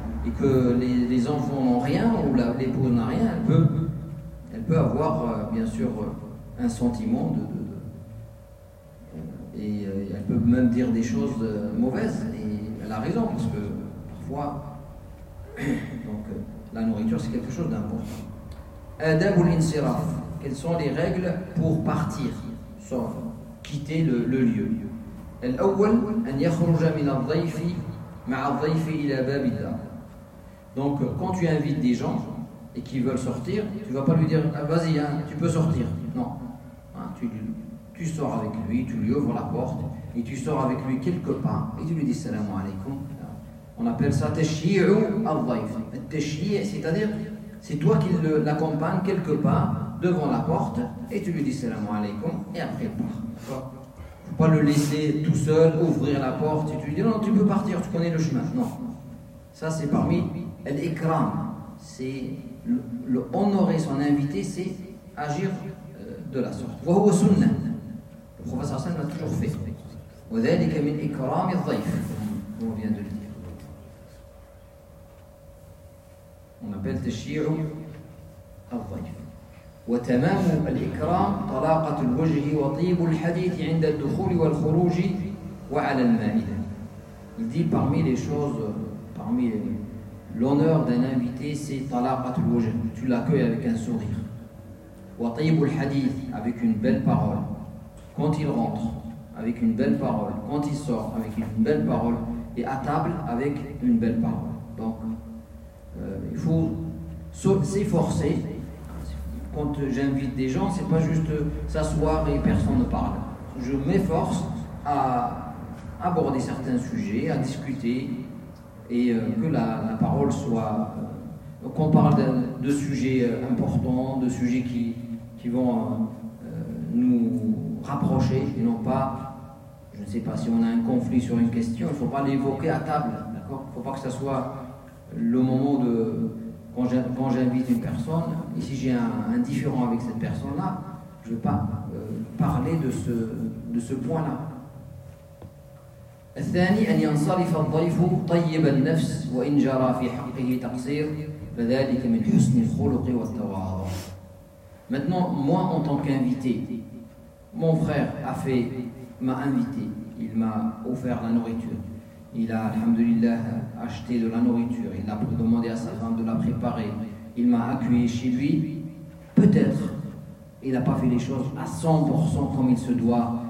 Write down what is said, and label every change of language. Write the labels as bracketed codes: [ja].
[fr] et que les enfants n'ont rien ou l'épouse n'a rien, elle peut avoir bien sûr un sentiment de et elle peut même dire des choses mauvaises, et elle a raison, parce que parfois donc la nourriture c'est quelque chose d'important. Adab al-insiraf, quelles sont les règles pour partir, sauf quitter le lieu? [ar] الأول أن يخرج من الضيف مع الضيف إلى باب الدار. [fr] Donc quand tu invites des gens et qu'ils veulent sortir, tu vas pas lui dire ah, vas-y hein, tu peux sortir. Non, hein, tu sors avec lui, tu lui ouvres la porte et tu sors avec lui quelque part et tu lui dis salam alaykoum. On appelle ça tashyi'u al-dhayf. Tashyi', c'est-à-dire c'est toi qui l'accompagne quelque part devant la porte et tu lui dis salam alaykoum et après il part. Pas le laisser tout seul ouvrir la porte et tu lui dis non, tu peux partir, tu connais le chemin. Non, ça c'est parmi l'ikram, c'est le honorer son invité, c'est agir de la sorte. [ar] Wa huwa sunna, [fr] le prophète Hassan l'a toujours fait. [ar] Wa dhalika min ikram al-dhayf, [fr] on vient de le dire. On appelle tashyi'u al-dhayf. [ar] وتمام الإكرام طلاقة الوجه وطيب الحديث عند الدخول والخروج وعلى المائدة. [fr] Il dit parmi les choses, parmi l'honneur d'un invité, c'est [ar] طلاقة الوجه. [fr] Tu l'accueilles avec un sourire. [ar] وطيب الحديث, [fr] avec une belle parole. Quand il rentre, avec une belle parole. Quand il sort, avec une belle parole. Et à table, avec une belle parole. Donc, il faut s'efforcer. Quand j'invite des gens, c'est pas juste s'asseoir et personne ne parle. Je m'efforce à aborder certains sujets, à discuter, et que la parole soit... qu'on parle de sujets importants, de sujets qui vont nous rapprocher, et non pas, je ne sais pas, si on a un conflit sur une question, il ne faut pas l'évoquer à table, d'accord ? Il ne faut pas que ça soit le moment de... Quand j'invite une personne, et si j'ai un différend avec cette personne-là, je ne veux pas parler de ce point-là. [ar] الثاني أن ينصرف الضيف طيب النفس وإن جرى في حقه تقصير فذلك من حسن الخلق والتواضع. [fr] Maintenant, moi en tant qu'invité, mon frère m'a invité, il m'a offert la nourriture. Il a, alhamdulillah, acheté de la nourriture. Il a demandé à sa femme de la préparer. Il m'a accueilli chez lui. Peut-être, il n'a pas fait les choses à 100% comme il se doit.